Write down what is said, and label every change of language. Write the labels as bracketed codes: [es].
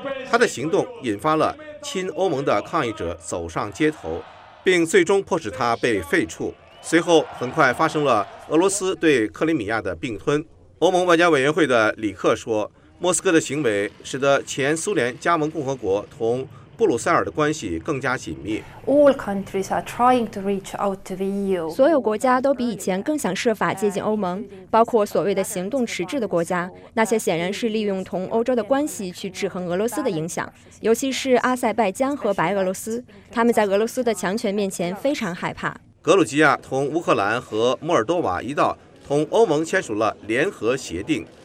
[zh] 他的行动引发了亲欧盟的抗议者走上街头，并最终迫使他被废黜。随后很快发生了俄罗斯对克里米亚的并吞。欧盟外交委员会的里克说，莫斯科的行为使得前苏联加盟共和国同布鲁塞尔的关系更加紧密。 [en] All countries are trying to reach out to the EU. [zh] 所有国家都比以前更想设法接近欧盟，包括所谓的行动迟滞的国家，那些显然是利用同欧洲的关系去制衡俄罗斯的影响，尤其是阿塞拜疆和白俄罗斯，他们在俄罗斯的强权面前非常害怕。格鲁吉亚同乌克兰和摩尔多瓦一道同欧盟签署了联合协定。